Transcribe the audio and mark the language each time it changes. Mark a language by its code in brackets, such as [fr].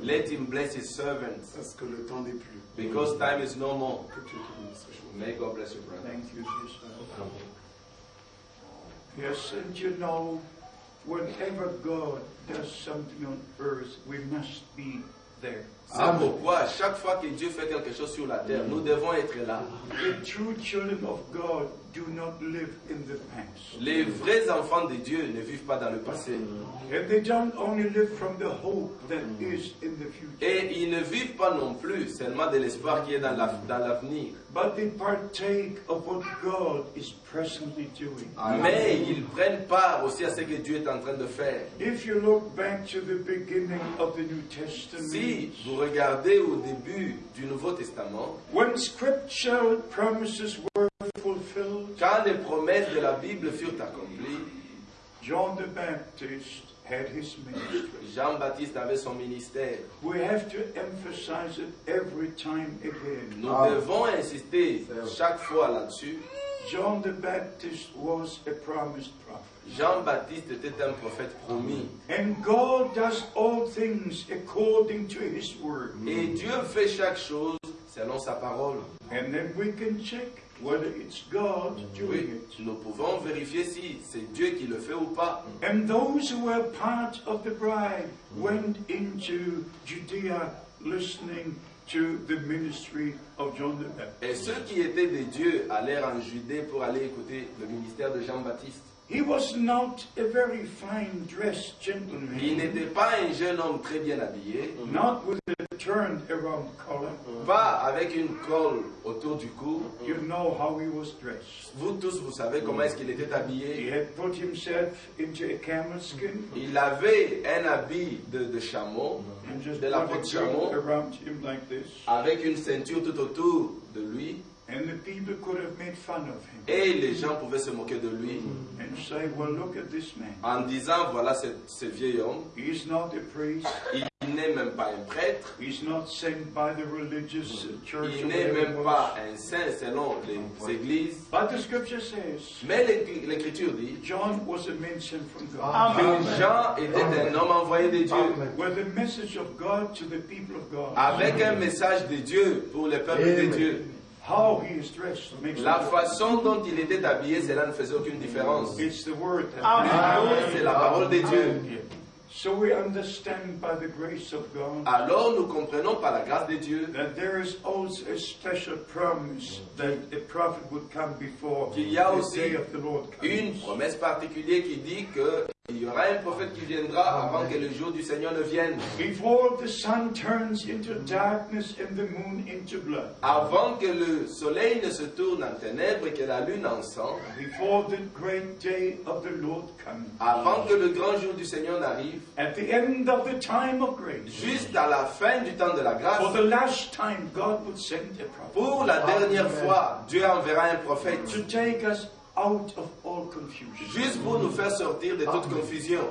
[en] Let Him bless His servants. [fr] Parce que le temps n'est plus. [en] Because time is no more. May God bless you, brother. Thank you, Jesus. Yes, and you know, whenever God does something on earth, we must be there. [fr] C'est pourquoi chaque fois que Dieu fait quelque chose sur la terre, nous devons être là. [en] The true children of God do not live in the past. [fr] Les vrais enfants de Dieu ne vivent pas dans le passé. [en] And they don't only live from the hope that is in the future. [fr] Et ils ne vivent pas non plus seulement de l'espoir qui est dans l'avenir. [en] But they partake of what God is presently doing. [fr] Mais ils prennent part aussi à ce que Dieu est en train de faire. [en] If you look back to the beginning of the New Testament. [fr] Si vous regardez au début du Nouveau Testament. [en] When scripture promises were fulfilled. [fr] Quand les promesses de la Bible furent accomplies. [en] John the Baptist had his ministry. [fr] Jean-Baptiste avait son ministère. [en] We have to emphasize it every time again. [fr] Nous devons insister chaque fois là-dessus. [en] John the Baptist was a promised prophet. [fr] Jean-Baptiste était un prophète promis. [en] And God does all things according to his word. [fr] Et Dieu fait chaque chose selon sa parole. [en] And then we can check whether it's God doing it. [fr] Oui, nous pouvons vérifier si c'est Dieu qui le fait ou pas. [en] And those who were part of the bride went into Judea listening to the ministry of John the Baptist. [fr] Et ceux qui étaient des dieux allèrent en Judée pour aller écouter le ministère de Jean-Baptiste. [en] He was not a very fine dressed gentleman. [fr] Il n'était pas un jeune homme très bien habillé. [en] Not with a turned around collar. [fr] Pas avec une colle autour du cou. [en] You know how he was dressed. [fr] Vous tous, vous savez comment est-ce qu'il était habillé. [en] He had put himself into a camel skin. [fr] Il avait un habit de chameau, de la peau de chameau, [en] around him like this. [fr] Avec une ceinture tout autour de lui. [en] And the people could have made fun of him. [fr] Et les gens pouvaient se moquer de lui. [en] And say, well, look at this man. [fr] En disant, voilà ce vieil homme. [en] He's not a priest. [fr] Il n'est même pas un prêtre. [en] He's not sent by the religious church. [fr] Il n'est même pas un saint selon les églises. [en] But the scripture says, [fr] mais l'écriture dit, [en] John was a mention from God. [fr] Amen. Jean était un homme envoyé de Dieu. [en] With the message of God to the people of God. [fr] Avec un message de Dieu pour le peuple de Dieu. [en] How he is dressed makes [fr] la façon dont il était habillé, cela ne faisait aucune différence. [en] It's the word [fr] that c'est la parole de Dieu. [en] So we understand by the grace of God. [fr] Alors nous comprenons par la grâce de Dieu. [en] That there is also a special promise that a prophet would come before the day of the Lord comes. [fr] Une promesse particulière qui dit que il y aura un prophète qui viendra avant que le jour du Seigneur ne vienne. [en] Before the sun turns into darkness and the moon into blood. [fr] Avant que le soleil ne se tourne en ténèbres et que la lune en sang. [en] Before the great day of the Lord comes. [fr] Avant que le grand jour du Seigneur n'arrive. [en] At the end of the time of grace. [fr] Juste à la fin du temps de la grâce. [en] For the last time, God would send a prophet. [fr] Pour la dernière fois, Dieu enverra un prophète. [en] To take us out of all confusion. [fr] Juste pour nous faire sortir de toute confusion.